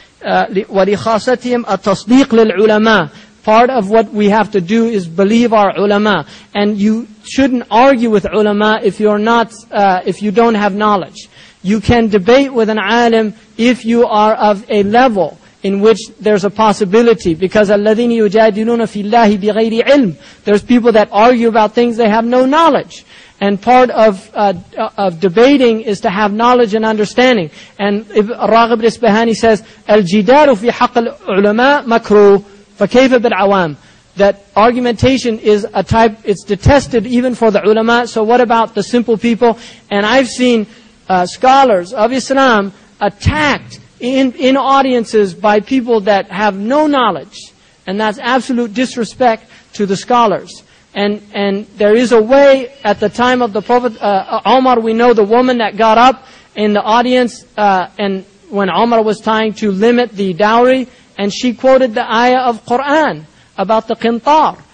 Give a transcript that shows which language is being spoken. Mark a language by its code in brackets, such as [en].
[ar] وَلِخَاسَتِهِمْ التَصْدِيقُ لِلْعُلَمَاء. [en] Part of what we have to do is believe our ulama. And you shouldn't argue with ulama if you're not, if you don't have knowledge. You can debate with an alim if you are of a level in which there's a possibility. [ar] Because الَّذِينِ يُجَادِلُونَ فِي اللَّهِ بِغَيْرِ عِلْمٍ. [en] There's people that argue about things they have no knowledge. And part of debating is to have knowledge and understanding. And Raghib al-Isbahani says, [ar] الجدال في حق العلماء مكروه فكيف بالعوام. [en] That argumentation is a type, it's detested even for the ulama, so what about the simple people? And I've seen scholars of Islam attacked in audiences by people that have no knowledge. And that's absolute disrespect to the scholars. And there is a way, at the time of the Prophet Omar, we know the woman that got up in the audience and when Omar was trying to limit the dowry, and she quoted the ayah of Quran about the qintar.